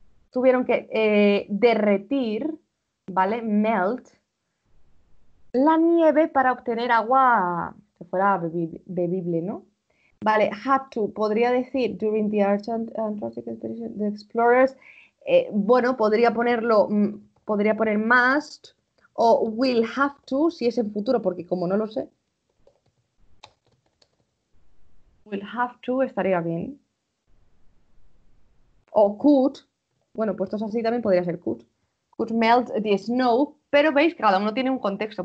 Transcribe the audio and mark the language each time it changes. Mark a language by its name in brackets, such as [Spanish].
[Spanish] Tuvieron que derretir, ¿vale? [English] Melt [Spanish] la nieve para obtener agua que fuera bebible, ¿no? [English] Vale, had to, [Spanish] podría decir [English] during the Antarctic expedition, the explorers. [Spanish] Bueno, podría poner [English] must [Spanish] o [English] will have to, [Spanish] si es en futuro, porque como no lo sé. [English] Will have to [Spanish] estaría bien. O [English] could, [Spanish] bueno, puestos así también podría ser could. [English] Could melt the snow, [Spanish] pero veis que cada uno tiene un contexto.